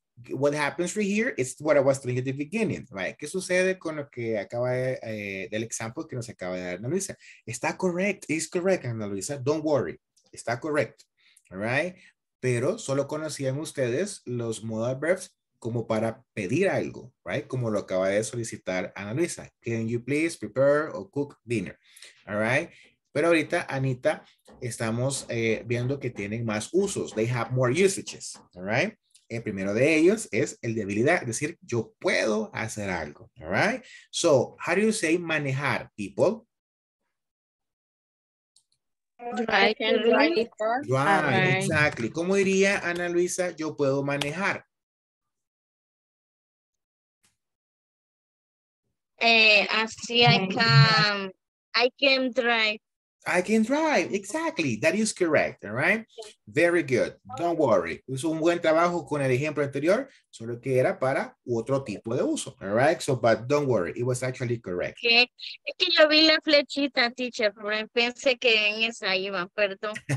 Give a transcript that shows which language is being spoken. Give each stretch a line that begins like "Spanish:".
English: What happens right here is what I was telling at the beginning, right?
Spanish: ¿Qué sucede con lo que acaba de, del example que nos acaba de dar, Ana Luisa? Está correct.
English: It's correct, Ana Luisa. Don't worry. Está correct. All right?
Spanish: Pero solo conocían ustedes los modal verbs como para pedir algo,
English: right?
Spanish: Como lo acaba de solicitar Ana Luisa.
English: Can you please prepare or cook dinner? All right?
Spanish: Pero ahorita, Anita, estamos viendo que tienen más usos.
English: They have more usages, all right?
Spanish: El primero de ellos es el de habilidad, es decir, yo puedo hacer algo,
English: all right? So, how do you say manejar, people? Drive. Right, exactly.
Spanish: ¿Cómo diría Ana Luisa, yo puedo manejar?
English: I can drive. I can drive, exactly, that is correct, all right? Very good, don't worry.
Spanish: Es un buen trabajo con el ejemplo anterior, solo que era para otro tipo de uso,
English: all right? So, but don't worry, it was actually correct. Okay.
Spanish: Es que yo vi la flechita, teacher, pensé que en esa iba, perdón.